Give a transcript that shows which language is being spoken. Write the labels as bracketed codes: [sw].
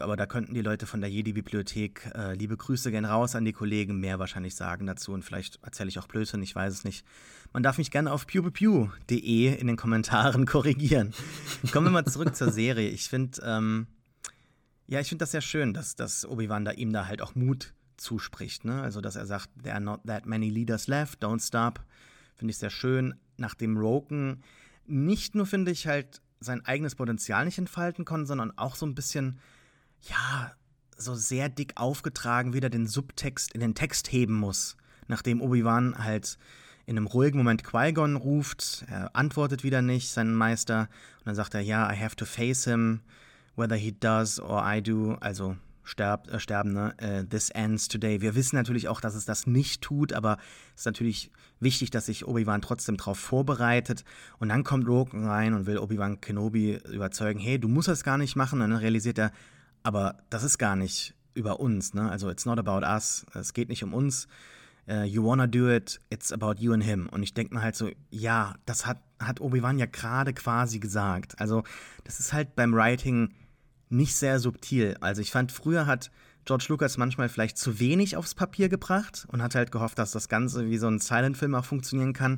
[de] Aber da könnten die Leute von der Jedi-Bibliothek, liebe Grüße gehen raus an die Kollegen, mehr wahrscheinlich sagen dazu. Und vielleicht erzähle ich auch Blödsinn, ich weiß es nicht. Man darf mich gerne auf pewpewpew.de in den Kommentaren korrigieren. Kommen wir mal zurück zur Serie. Ich finde das sehr schön, dass Obi-Wan da ihm da halt auch Mut zuspricht, ne? Also, dass er sagt, [en] there are not that many leaders left, don't stop. [de] Finde ich sehr schön. Nachdem Roken nicht nur, finde ich, halt sein eigenes Potenzial nicht entfalten konnte, sondern auch so ein bisschen, ja, so sehr dick aufgetragen wieder den Subtext in den Text heben muss, nachdem Obi-Wan halt in einem ruhigen Moment Qui-Gon ruft, er antwortet wieder nicht, seinen Meister, und dann sagt er, ja, [en] I have to face him, whether he does or I do, [de] also sterbende, [en] this ends today. [de] Wir wissen natürlich auch, dass es das nicht tut, aber es ist natürlich wichtig, dass sich Obi-Wan trotzdem drauf vorbereitet. Und dann kommt Rogue rein und will Obi-Wan Kenobi überzeugen, hey, du musst das gar nicht machen. Und dann realisiert er, aber das ist gar nicht über uns, ne? Also [en] it's not about us, [de] es geht nicht um uns. [en] You wanna do it, it's about you and him. [de] Und ich denke mir halt so, ja, das hat Obi-Wan ja gerade quasi gesagt. Also das ist halt beim Writing nicht sehr subtil. Also ich fand, früher hat George Lucas manchmal vielleicht zu wenig aufs Papier gebracht und hat halt gehofft, dass das Ganze wie so ein Silent-Film auch funktionieren kann.